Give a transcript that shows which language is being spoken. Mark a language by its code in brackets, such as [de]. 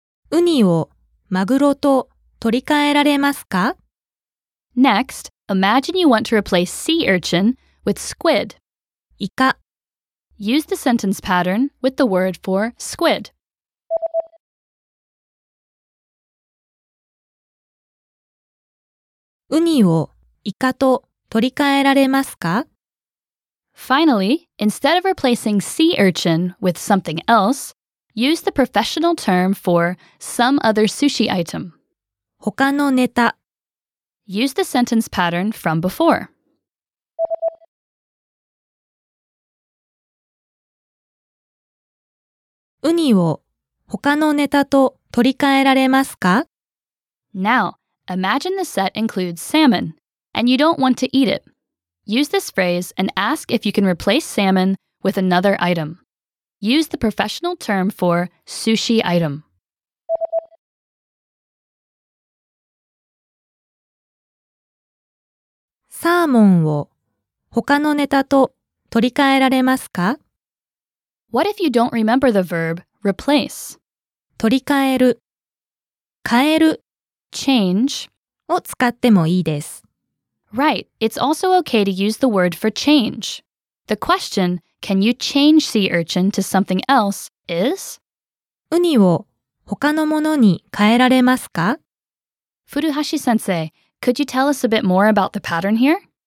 [ja] ウニをマグロと取り替えられますか? [en] Next, imagine you want to replace sea urchin with squid. [ja] イカ [en] Use the sentence pattern with the word for squid. [ja] ウニをイカと取り替えられますか? [en] Finally, instead of replacing sea urchin with something else, use the professional term for some other sushi item. [ja] 他のネタ [en] Use the sentence pattern from before. [ja] ウニを他のネタと取り替えられますか? [en] Now, imagine the set includes salmon, and you don't want to eat it. Use this phrase and ask if you can replace salmon with another item. Use the professional term for sushi item. [ja] サーモンを他のネタと取り替えられますか? [en] What if you don't remember the verb? Replace. [ja] 取り替える変える [en] Change. [ja] を使ってもいいです。 [en] Right. It's also okay to use the word for change. The question, can you change sea urchin to something else, is? [ja] ウニを他のものに変えられますか? [en] Furuhashi sensei, could you tell us a bit more about the pattern here?